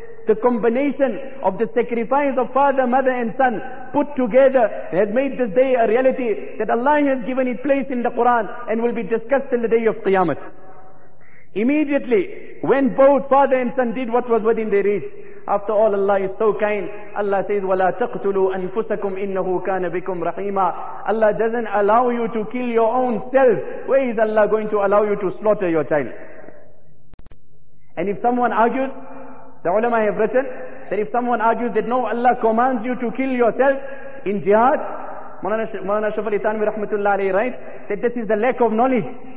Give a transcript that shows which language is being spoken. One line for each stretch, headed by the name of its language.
English: the combination of the sacrifice of father, mother and son put together has made this day a reality that Allah has given it place in the Quran and will be discussed in the day of Qiyamah. Immediately, when both father and son did what was within their reach, After all, Allah is so kind. Allah says,
Arabic: وَلَا تَقْتُلُوا أَنفُسَكُمْ إِنَّهُ كَانَ بِكُمْ رَحِيمًا.
English: Allah doesn't allow you to kill your own self. Where is Allah going to allow you to slaughter your child? And if someone argues, the ulama have written, that if someone argues that no, Allah commands you to kill yourself in jihad, Mawlana Shafi'i Thanvi rahmatullah alayhi writes, that this is the lack of knowledge.